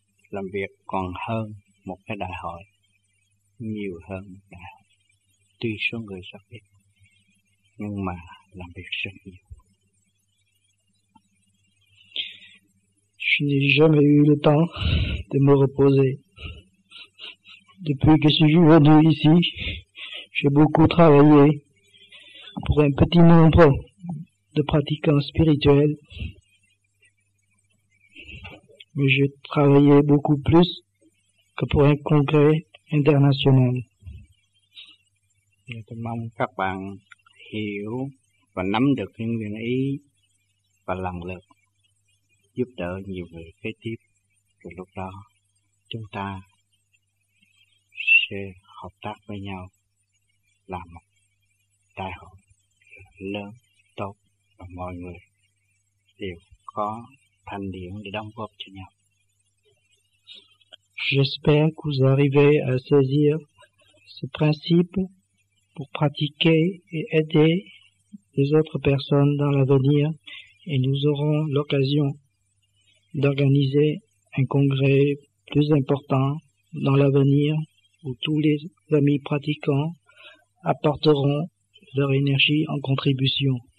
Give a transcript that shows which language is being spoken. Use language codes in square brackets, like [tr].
[vi] làm việc còn hơn một cái đại hội, nhiều hơn một đại hội, tuy số người rất ít nhưng mà làm việc rất nhiều. [fr] Je n'ai jamais eu le temps de me reposer. Depuis que je suis venu ici, j'ai beaucoup travaillé pour un petit nombre de pratiquants spirituels. Mais j'ai travaillé beaucoup plus que pour un congrès international. [vi] Tôi mong các bạn hiểu và nắm được những nguyên ý và lần lượt giúp đỡ nhiều người kế tiếp. Rồi lúc đó chúng ta sẽ hợp tác với nhau làm một đại hội lớn, tốt và mọi người đều có thành điểm để đóng góp cho nhau. [fr] J'espère que vous arrivez à saisir ce principe pour pratiquer et aider les autres personnes dans l'avenir, et nous aurons l'occasion d'organiser un congrès plus important dans l'avenir où tous les amis pratiquants apporteront leur énergie en contribution.